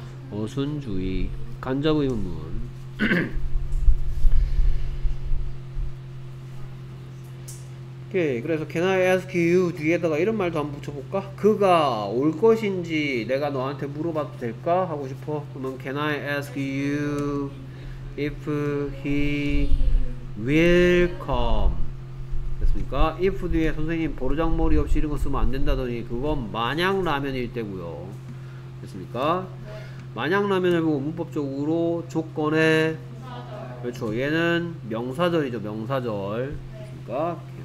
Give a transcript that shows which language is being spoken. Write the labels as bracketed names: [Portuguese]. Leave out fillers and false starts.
[Korean] 어순 주의. 간접 의문문. 오케이. 그래서 [English] Can I ask you [Korean] 뒤에다가 이런 말도 한번 붙여볼까? 그가 올 것인지 내가 너한테 물어봐도 될까? 하고 싶어. [English] 그러면 Can I ask you if he will come? [Korean] 됐습니까? If 뒤에 선생님 보르장머리 없이 이런 거 쓰면 안 된다더니 그건 마냥 라면일 때고요. 됐습니까? 마냥 라면을 보고 문법적으로 조건에 그렇죠. 얘는 명사절이죠. 명사절. 됐습니까?